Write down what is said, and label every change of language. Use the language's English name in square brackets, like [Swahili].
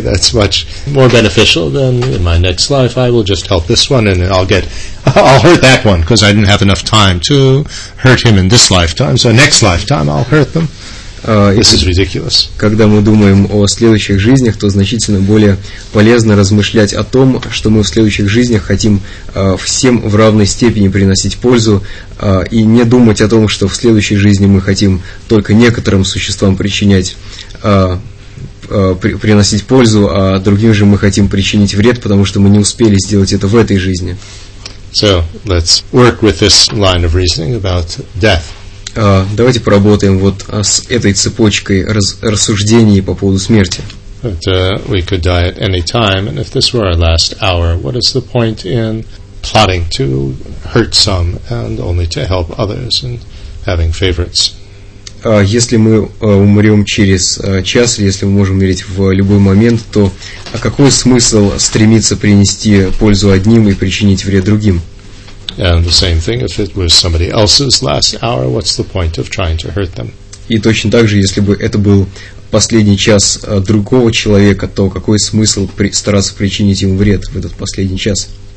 [English] That's much more beneficial than in my next life I will just help this one and I'll hurt that one because I didn't have enough time to hurt him in this lifetime. So next lifetime I'll hurt them. This is ridiculous. [Russian] Когда мы думаем о следующих жизнях, то значительно более полезно размышлять о том, что мы в следующих жизнях хотим всем в равной степени приносить пользу, и не думать о том, что в следующей жизни мы хотим только некоторым существам приносить пользу, а другим же мы хотим причинить вред, потому что мы не успели сделать это в этой жизни. [English] So, let's work with this line of reasoning about death. [Russian] Давайте поработаем вот с этой цепочкой рассуждений по поводу смерти. [English] But, we could die at any time, and if this were our last hour, what is the point in plotting to hurt some and only to help others and having favorites? [Russian] если мы умрем через час, если мы можем умереть в любой момент, то какой смысл стремиться принести пользу одним и причинить вред другим? [English] And the same thing, if it was somebody else's last hour, what's the point of trying to hurt them? [Russian] И точно так же, если бы это был последний час другого человека, то какой смысл стараться причинить ему вред в этот последний час?